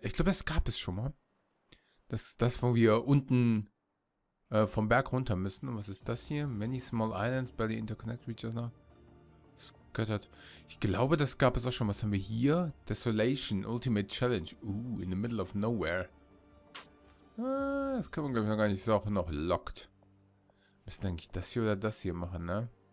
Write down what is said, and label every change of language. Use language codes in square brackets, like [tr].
[de] Ich glaube, das gab es schon mal. Das, wo wir unten vom Berg runter müssen. Und was ist das hier? [en] Many small islands by the interconnect region. Scattered. [de] Ich glaube, das gab es auch schon. Was haben wir hier? [en] Desolation, ultimate challenge. In the middle of nowhere. [de] Das kann man, glaube ich, noch gar nicht. Ist auch noch locked. Müssen eigentlich das hier oder das hier machen, ne?